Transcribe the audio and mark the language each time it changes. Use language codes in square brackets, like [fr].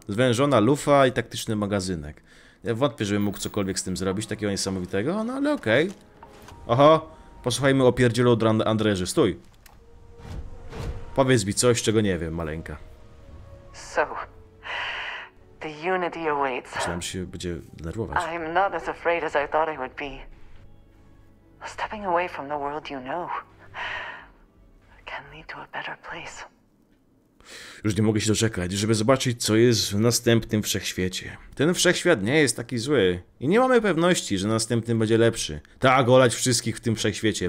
[pl] Zwężona lufa i taktyczny magazynek. Ja wątpię, żebym mógł cokolwiek z tym zrobić, takiego niesamowitego, no ale okej. Oho, posłuchajmy o pierdzielu od Andreży, stój! Powiedz mi coś, czego nie wiem, maleńka. [en] So, the Unity awaits. [pl] Myślałem, że się będzie nerwować. [en] I'm not as afraid as I thought I would be. Stepping away from the world you know can lead to a better place. [pl] Już nie mogę się doczekać, żeby zobaczyć, co jest w następnym wszechświecie. Ten wszechświat nie jest taki zły. I nie mamy pewności, że następny będzie lepszy. Tak, olać wszystkich w tym wszechświecie.